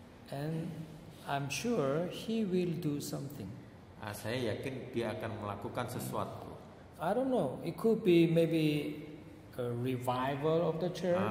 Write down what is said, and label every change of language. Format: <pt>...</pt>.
<en>And I'm sure he will do something.</en> <id>Saya yakin dia akan melakukan sesuatu.</id> <en>I don't know. It could be maybe a revival of the church.</en>